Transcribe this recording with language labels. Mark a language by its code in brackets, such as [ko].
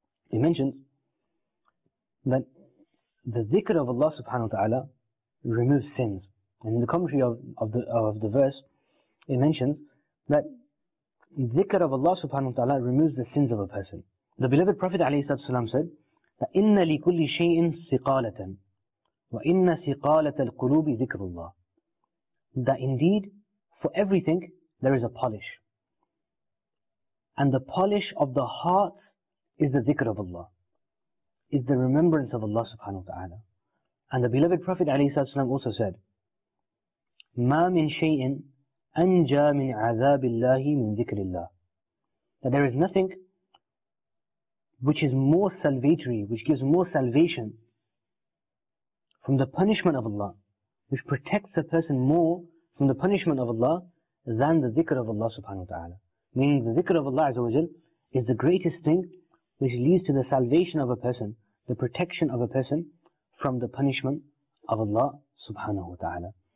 [en] He mentions that the dhikr of Allah subhanahu wa ta'ala removes sins. And in the commentary of the verse, it mentions that dhikr of Allah subhanahu wa ta'ala removes the sins of a person. The beloved Prophet alayhi salam said, [ar] إِنَّ لِكُلِّ شَيْءٍ سِقَالَةً وَإِنَّ سِقَالَةَ الْقُلُوبِ ذِكْرُ اللَّهِ. [en] That indeed, for everything, there is a polish. And the polish of the heart is the dhikr of Allah, is the remembrance of Allah subhanahu wa ta'ala. And the beloved Prophet ﷺ also said, [ar] مَا مِن شَيْءٍ أَنْجَى مِنْ عَذَابِ اللَّهِ مِنْ ذِكْرِ اللَّهِ. [en] That there is nothing which is more salvatory, which gives more salvation from the punishment of Allah, which protects a person more from the punishment of Allah than the dhikr of Allah subhanahu wa ta'ala. Meaning the dhikr of Allah azza wa jal is the greatest thing which leads to the salvation of a person, the protection of a person from the punishment of Allah subhanahu wa ta'ala.